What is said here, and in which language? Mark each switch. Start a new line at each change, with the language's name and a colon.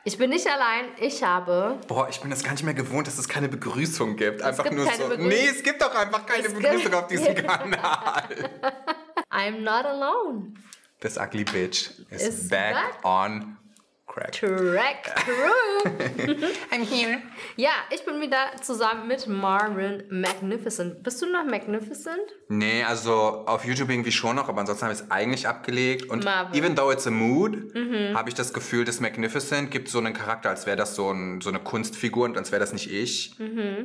German: Ich bin nicht allein, ich habe... Boah, ich bin das gar nicht mehr gewohnt, dass es keine Begrüßung gibt. Einfach nur so. Nee, es gibt doch einfach keine Begrüßung auf diesem Kanal.
English: I'm not alone. This ugly bitch is back on crack. Track crew. I'm here.
German: Ja, ich bin wieder zusammen mit Marvin Magnificent. Bist du noch Magnificent? Nee, also auf YouTube irgendwie schon noch, aber ansonsten habe ich es eigentlich abgelegt. Und Marvin.
English: Even though it's a mood,
German: habe ich das Gefühl, dass Magnificent gibt so einen Charakter, als wäre das so, so eine Kunstfigur und als wäre das nicht ich. Mhm.